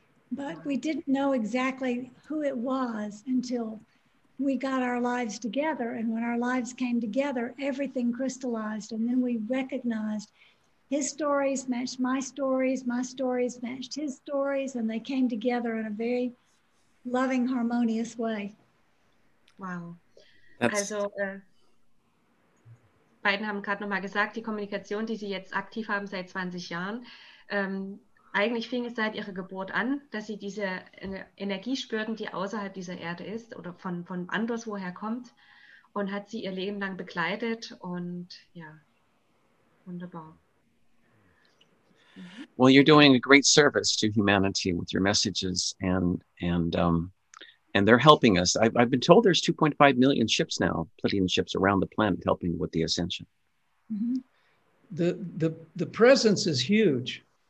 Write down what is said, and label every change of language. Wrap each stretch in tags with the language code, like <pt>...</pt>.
<en>But we didn't know exactly who it was until we got our lives together. And when our lives came together, everything crystallized. And then we recognized his stories matched my stories matched his stories, and they came together in a very loving, harmonious way. Wow.</en> <de>Also, beiden haben gerade nochmal gesagt, die Kommunikation, die sie jetzt aktiv haben seit 20 Jahren, eigentlich fing es seit ihrer Geburt an, dass sie diese Energie spürten, die außerhalb dieser Erde ist oder von anderswoher kommt, und hat sie ihr Leben lang begleitet. Und ja, wunderbar.</de> <en>Well, you're doing a great service to humanity with your messages, and they're helping us. I've been told there's 2.5 million ships now, Plitian ships around the planet, helping with the ascension. Mm-hmm. The presence is huge.</en>